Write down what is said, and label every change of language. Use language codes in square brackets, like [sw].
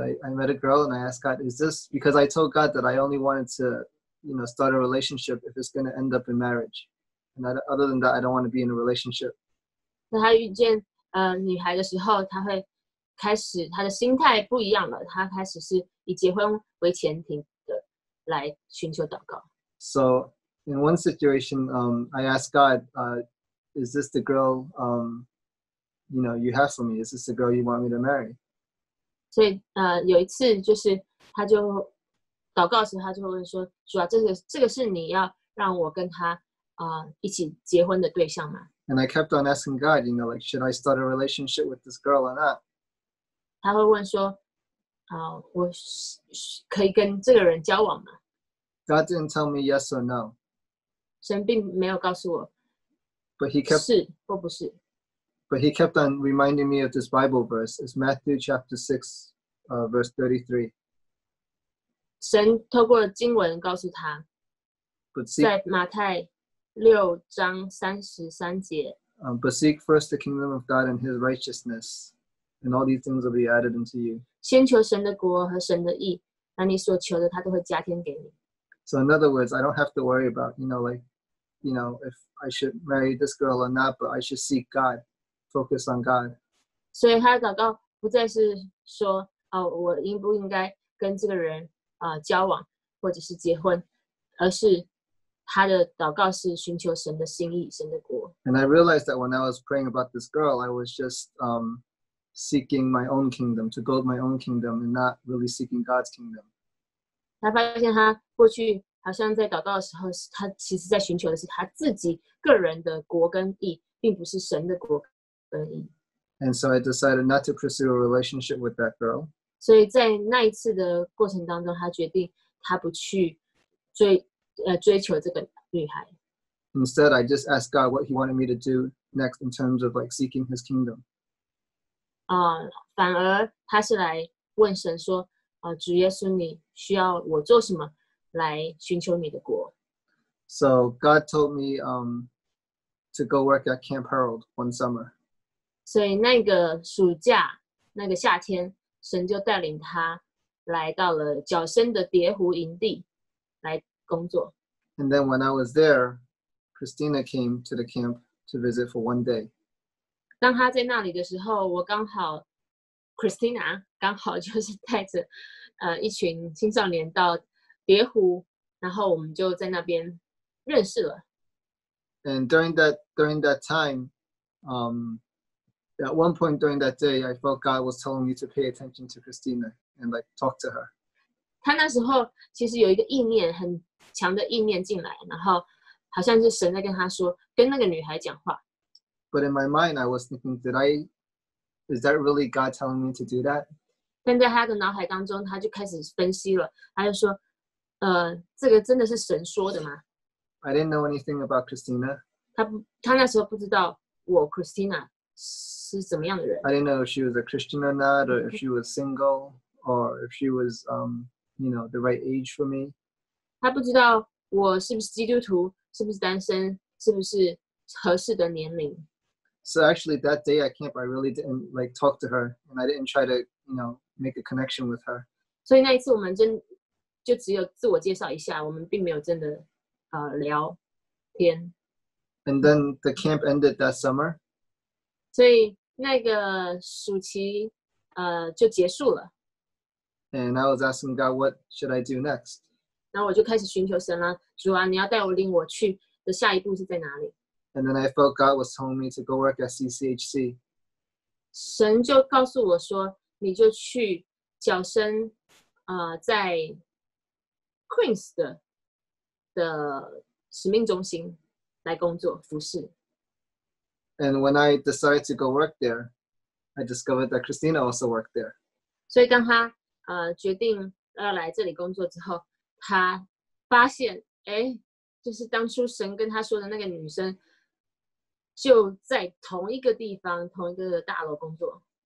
[en] I met a girl and I asked God, "Is this because I told God that I only wanted to, you know, start a relationship if it's going to end up in marriage, and that, other than that, I don't want to be in a relationship." [zh] 那他遇见女孩的时候，他会开始他的心态不一样了。他开始是以结婚为前提的来寻求祷告。 [en] So. In one situation, I asked God, is this the girl, you know, you have for me? Is this the girl you want me to marry? [zh] 所以有一次就是他就祷告时，他就会说，主啊，这个是你要让我跟他一起结婚的对象吗？ [en] And I kept on asking God, you know, like, should I start a relationship with this girl or not? [zh] 他会问说，我可以跟这个人交往吗？ [en] God didn't tell me yes or no. [zh] 神并没有告诉我 [en] but he kept, [zh] 是或不是。 [en] But he kept on reminding me of this Bible verse. It's Matthew chapter 6, verse 33. [zh] 神透过经文告诉他 [en] but seek, [zh] 在马太六章三十三节 [en] But seek first the kingdom of God and his righteousness, and all these things will be added unto you. [zh] 先求神的国和神的义，那你所求的他都会加添给你。 [en] So in other words, I don't have to worry about, you know, like, you know, if I should marry this girl or not, but I should seek God, focus on God. [zh] 所以他的祷告不再是说，我应不应该跟这个人交往或者是结婚，而是他的祷告是寻求神的心意，神的国。 [en] And I realized that when I was praying about this girl, I was just seeking my own kingdom, to build my own kingdom, and not really seeking God's kingdom. [zh] 他发现他过去好像在祷告的时候，他其实在寻求的是他自己个人的国跟义，并不是神的国跟义。 [en] And so I decided not to pursue a relationship with that girl. [zh] 所以在那一次的过程当中，他决定他不去追求这个女孩。 [en] Instead, I just asked God what He wanted me to do next in terms of like seeking His kingdom. [zh] 反而他是来问神说，主耶稣，你需要我做什么来寻求你的国？ [en] So God told me to go work at Camp Harold one summer. [zh] 所以那个暑假，那个夏天，神就带领他来到了角声的蝶湖营地来工作。 [en] And then when I was there, Christina came to the camp to visit for one day. [zh] 当他在那里的时候，我刚好 Christina 刚好就是带着一群青少年到蝶湖，然后我们就在那边认识了。 [en] And during that time, at one point during that day, I felt God was telling me to pay attention to Christina and like talk to her. [zh] 他那时候其实有一个意念，很强的意念进来，然后好像是神在跟他说，跟那个女孩讲话。 [en] But in my mind, I was thinking, is that really God telling me to do that? [zh] 但在他的脑海当中，他就开始分析了，他就说，这个真的是神说的吗？ [en] I didn't know anything about Christina. [zh] 他那时候不知道我 Christina 是怎么样的人。 [en] I didn't know if she was a Christian or not, or if she was single, or if she was, the right age for me. [zh] 他不知道我是不是基督徒。是不是单身？是不是合适的年龄 [en] ？So actually, that day at camp, I really didn't like talk to her, and I didn't try to, make a connection with her. [zh] 所以那一次我们就只有自我介绍一下，我们并没有真的聊天。 [en] And then the camp ended that summer. [zh] 所以那个暑期就结束了。 [en] And I was asking God, what should I do next? [zh] 然后我就开始寻求神了，主啊，你要带我领我去的下一步是在哪里 [en] ？And then I felt God was telling me to go work at CCHC. [zh] 神就告诉我说，你就去角声，在 Queens 的使命中心来工作服事。 [en] And when I decided to go work there, I discovered that Christina also worked there. [zh] 所以当他决定要来这里工作之后。他发现，就是当初神跟他说的那个女生，就在同一个地方、同一个大楼工作。